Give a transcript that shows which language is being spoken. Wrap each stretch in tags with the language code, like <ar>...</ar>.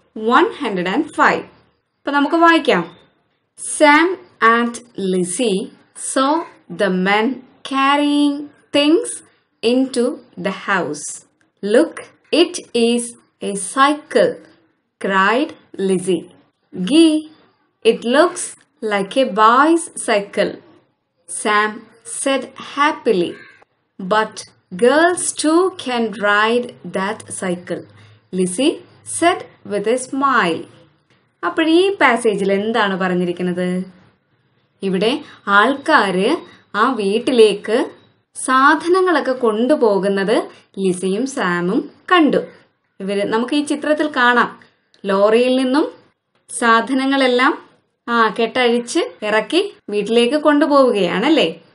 <en>104 and 105.</en> <ml>അപ്പൊ നമുക്ക് വായിക്കാം.</ml> <en>Sam and Lizzy saw the men carrying things in to the house. Look, it is a cycle, cried Lizzy. Gee, it looks like a boy's cycle, Sam said happily. But girls too can ride that cycle, Lizzy said with a smile.</en> <ml>അപ്പോൾ ഈ പാസേജിൽ എന്താണ് പറഞ്ഞിരിക്കുന്നത്? ഇവിടെ ആൾക്കാർ ആ വീട്ടിലേക്ക് സാധനങ്ങളൊക്കെ കൊണ്ടുപോകുന്നത് ലിസിയും സാമും കണ്ടു. ഇവർ നമുക്ക് ഈ ചിത്രത്തിൽ കാണാം, ലോറിയിൽ നിന്നും സാധനങ്ങളെല്ലാം കെട്ടഴിച്ച് ഇറക്കി വീട്ടിലേക്ക് കൊണ്ടുപോവുകയാണല്ലേ.</ml>